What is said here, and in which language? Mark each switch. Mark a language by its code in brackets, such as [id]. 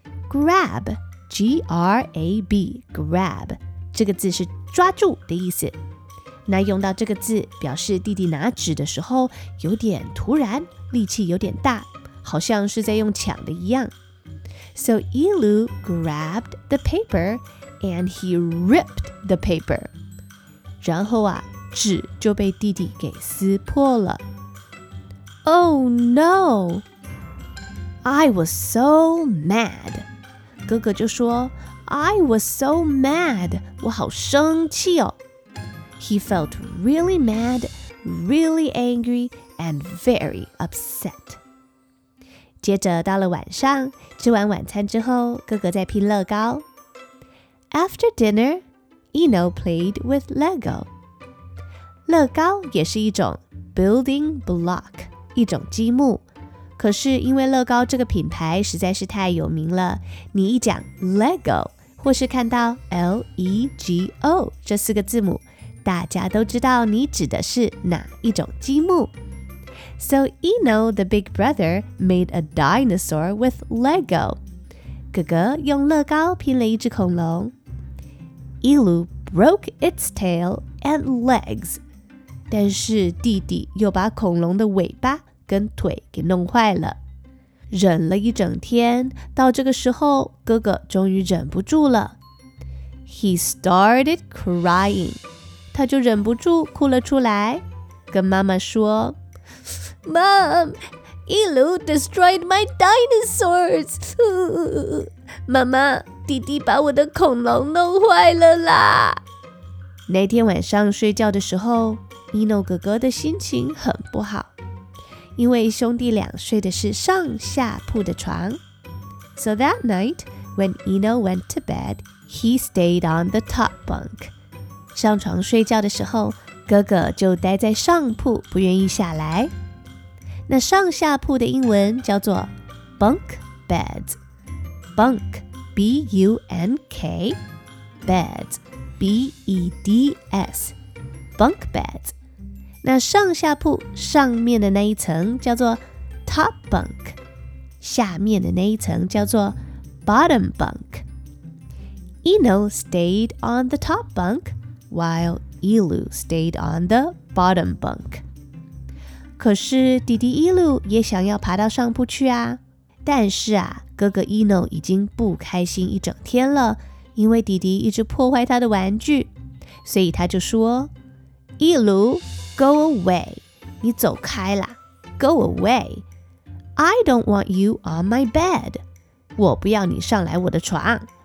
[zh] Grab, G-R-A-B, grab 这个字是抓住的意思。那用到这个字，表示弟弟拿纸的时候有点突然，力气有点大，好像是在用抢的一样。 [en] So Eno grabbed the paper, and he ripped the paper. [zh] 然后啊，纸就被弟弟给撕破了。 [en] Oh no! I was so mad. [zh] 哥哥就说 ， [en] I was so mad. [zh] 我好生气哦。 [en] He felt really mad, really angry, and very upset. [zh] 接着到了晚上，吃完晚餐之后，哥哥在拼乐高。 [en] After dinner. Eno played with Lego. [zh] 乐高也是一种 building block, 一种积木。可是因为乐高这个品牌实在是太有名了，你一讲 Lego, 或是看到 L-E-G-O 这四个字母，大家都知道你指的是哪一种积木。 [en] So Eno, the big brother, made a dinosaur with Lego. [zh] 哥哥用乐高拼了一只恐龙。 [en] Eno broke its tail and legs. [zh] 但是弟弟又把恐龙的尾巴跟腿给弄坏了。忍了一整天，到这个时候，哥哥终于忍不住了。 [en] He started crying. [zh] 他就忍不住哭了出来，跟妈妈说 [en] Mom, Eno destroyed my dinosaurs. [zh] 妈妈弟弟把我的恐龙弄坏了啦。那天晚上睡觉的时候， Eno 哥哥的心情很不好，因为兄弟俩睡的是上下铺的床。 [en] So that night, when Eno went to bed, he stayed on the top bunk. [zh] 上床睡觉的时候，哥哥就待在上铺不愿意下来。那上下铺的英文叫做 bunk beds, bunkB-U-N-K, beds, B-E-D-S, bunk beds. 那上下铺上面的那一层叫做 top bunk, 下面的那一层叫做 bottom bunk. [en] Eno stayed on the top bunk, while Eno stayed on the bottom bunk. [zh] 可是弟弟 Eno 也想要爬到上铺去啊。但是啊，哥哥 Eno 已经不开心一整天了，因为弟弟一直破坏他的玩具，所以他就说 [en] Eno, go away, [zh] 你走开啦 [en] go away, I don't want you on my bed, [zh] 我不要你上来我的床。